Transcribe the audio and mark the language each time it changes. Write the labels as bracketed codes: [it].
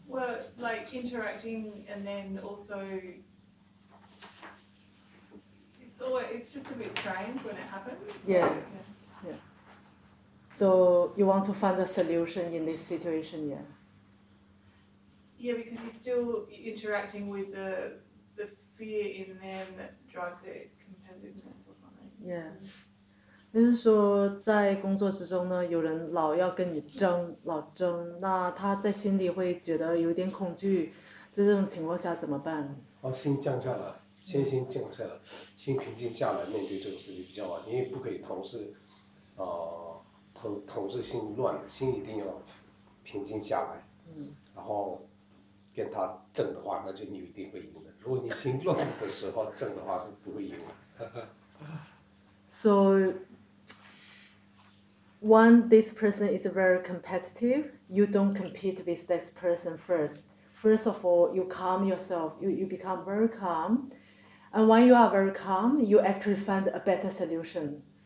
[en] Well, like interacting and then also, it's just a bit strange when it happens. Yeah. So you want to find a solution in this situation, yeah? Yeah, because you're still interacting with the fear in them that drives it, competitiveness or something. Yeah. [zh] 就是说在工作之中呢，有人老要跟你争，老争，那他在心里会觉得有点恐惧，在这种情况下怎么办？好，心降下来，先降下来，心平静下来，面对这个事情比较好。你也不可以同时，同时心乱，心一定要平静下来。然后跟他争的话，那就你一定会赢的。如果你心乱的时候争的话，是不会赢的。 [en] So, when this person is very competitive, you don't compete with this person first. First of all, you calm yourself, you become very calm. And when you are very calm, you actually find a better solution.